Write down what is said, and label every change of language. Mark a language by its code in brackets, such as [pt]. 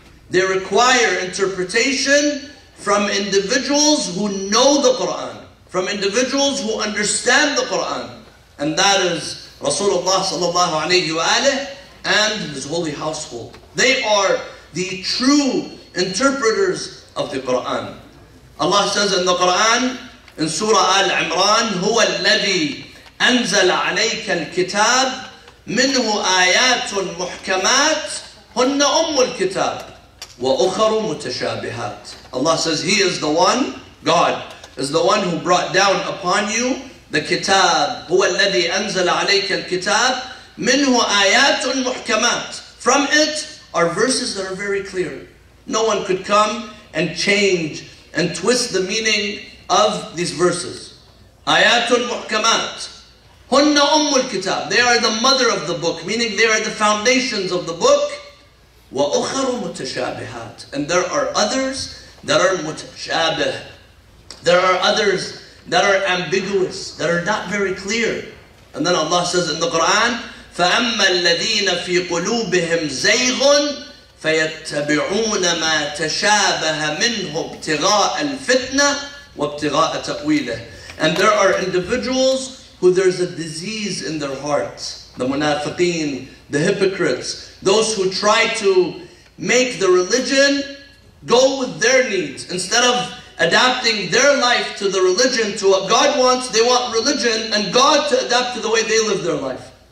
[en] They require interpretation from individuals who know the Quran, from individuals who understand the Quran. And that is Rasulullah sallallahu alayhi wa alayhi and his holy household. They are the true interpreters of the Quran. Allah says in the Quran, in Surah Al-Imran, [ar] هُوَ الَّذِي أَنْزَلَ عَلَيْكَ الْكِتَابِ مِنْهُ آيَاتٌ مُحْكَمَاتٌ هُنَّ أُمُّ الْكِتَابِ وَأُخَرُ مُتَشَابِهَاتٌ. [en] Allah says, He is the one, God, is the one who brought down upon you the kitab. [ar] هُوَ الَّذِي أَنْزَلَ عَلَيْكَ الْكِتَابِ مِنْهُ آيَاتٌ مُحْكَمَاتٌ. [en] From it are verses that are very clear. No one could come and change and twist the meaning of these verses. Ayatul muhkamat. [ar] Hunna ummul kitab. [en] They are the mother of the book, meaning they are the foundations of the book. [ar] وأخر متشابهات. [en] And there are others that are متشابه. There are others that are ambiguous, that are not very clear. And then Allah says in the Quran, [ar] فَأَمَّا الَّذِينَ فِي قُلُوبِهِمْ زَيْغٌ فَيَتَّبِعُونَ مَا تَشَابَهَ مِنْهُ ابْتِغَاءَ الْفِتْنَةِ وَابْتِغَاءَ تَأْوِيلِهِ. [en] And there are individuals who there's a disease in their hearts. The munafiqeen, the hypocrites, those who try to make the religion go with their needs. Instead of adapting their life to the religion, to what God wants, they want religion and God to adapt to the way they live their life.